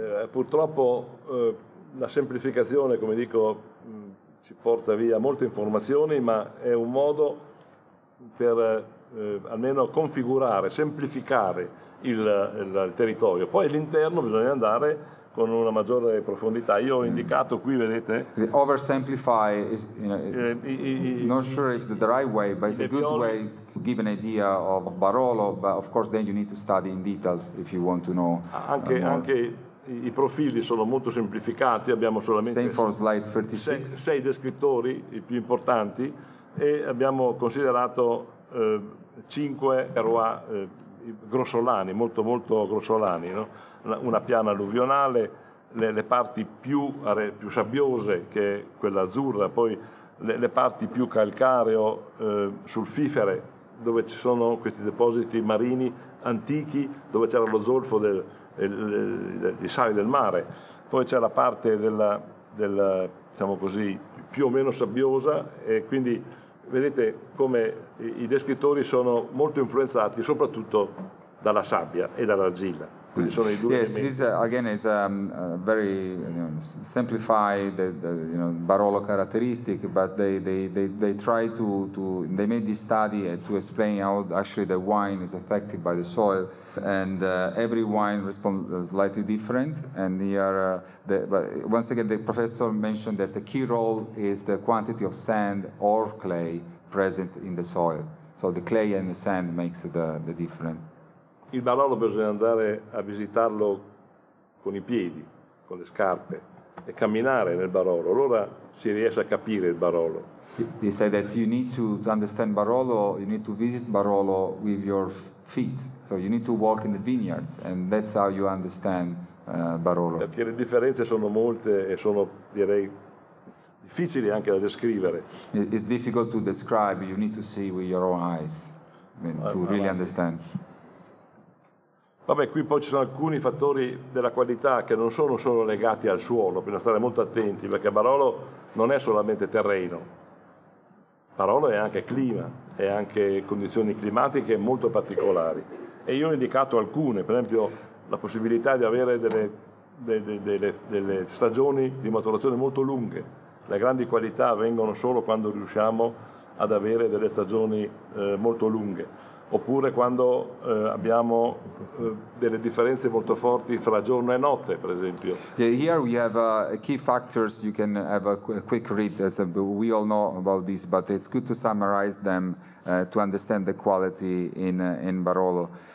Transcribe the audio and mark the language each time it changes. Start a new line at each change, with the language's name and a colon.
Italian: Purtroppo la semplificazione, come dico, ci porta via molte informazioni, ma è un modo per almeno configurare, semplificare il territorio. Poi all'interno bisogna andare con una maggiore profondità. Io ho indicato qui, vedete,
English: the oversimplify is, not sure it's the right way, but it's a good way to give an idea of Barolo, but of course then you need to study in details if you want to know.
Italian: Anche i profili sono molto semplificati, abbiamo solamente sei descrittori, i più importanti, e abbiamo considerato cinque terroir grossolani, molto molto grossolani, no? Una piana alluvionale, le parti più sabbiose, che è quella azzurra, poi le parti più calcareo, sulfifere, dove ci sono questi depositi marini antichi, dove c'era lo zolfo dei sali del mare. Poi c'è la parte della diciamo così, più o meno sabbiosa, e quindi vedete come i descrittori sono molto influenzati soprattutto dalla sabbia e dall'argilla. Quindi sono i due elementi.
English: This again is very simplified Barolo characteristic, but they try to they made this study to explain how actually the wine is affected by the soil, and every wine responds slightly different. And here, but once again, the professor mentioned that the key role is the quantity of sand or clay present in the soil. So the clay and the sand makes the difference.
Italian: Il Barolo bisogna andare a visitarlo con i piedi, con le scarpe, e camminare nel Barolo. Allora si riesce a capire il Barolo.
English: He said that you need to understand Barolo, you need to visit Barolo with your feet. So you need to walk in the vineyards, and that's how you understand Barolo.
Italian: Perché le differenze sono molte e sono, direi, difficili anche da descrivere.
English: It's difficult to describe. You need to see with your own eyes to really understand.
Italian: Vabbè, qui poi ci sono alcuni fattori della qualità che non sono solo legati al suolo, bisogna stare molto attenti, perché Barolo non è solamente terreno. Barolo è anche clima, è anche condizioni climatiche molto particolari. E io ho indicato alcune, per esempio la possibilità di avere delle stagioni di maturazione molto lunghe. Le grandi qualità vengono solo quando riusciamo ad avere delle stagioni molto lunghe. Oppure quando abbiamo delle differenze molto forti fra giorno e notte, per esempio.
English: Yeah, here we have key factors. You can have a quick read. As we all know about this, but it's good to summarize them to understand the quality in Barolo.